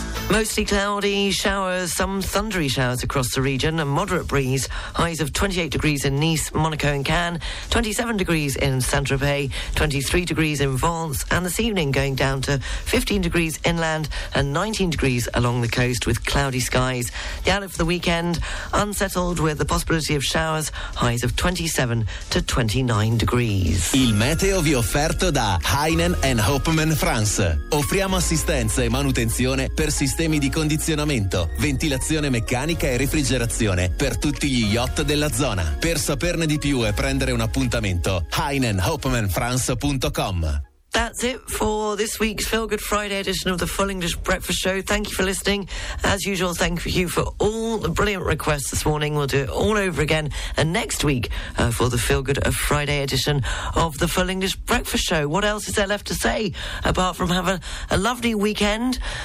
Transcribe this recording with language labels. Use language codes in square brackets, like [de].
[en] Mostly cloudy, showers, some thundery showers across the region, a moderate breeze, highs of 28 degrees in Nice, Monaco and Cannes, 27 degrees in Saint-Tropez, 23 degrees in Vence, and this evening going down to 15 degrees inland and 19 degrees along the coast with cloudy skies. The outlook for the weekend, unsettled with the possibility of showers, highs of 27 to 29 degrees. [it] Il meteo vi offerto da Heinen and Hopman France. Offriamo assistenza e manutenzione per sistemi di condizionamento, ventilazione meccanica e refrigerazione per tutti gli yacht della zona. Per saperne di più e prendere un appuntamento, heinenhopmanfrance.com. [en] That's it for this week's Feel Good Friday edition of the Full English Breakfast Show. Thank you for listening. As usual, thank you for all the brilliant requests this morning. We'll do it all over again. And next week for the Feel Good Friday edition of the Full English Breakfast Show. What else is there left to say apart from have a lovely weekend?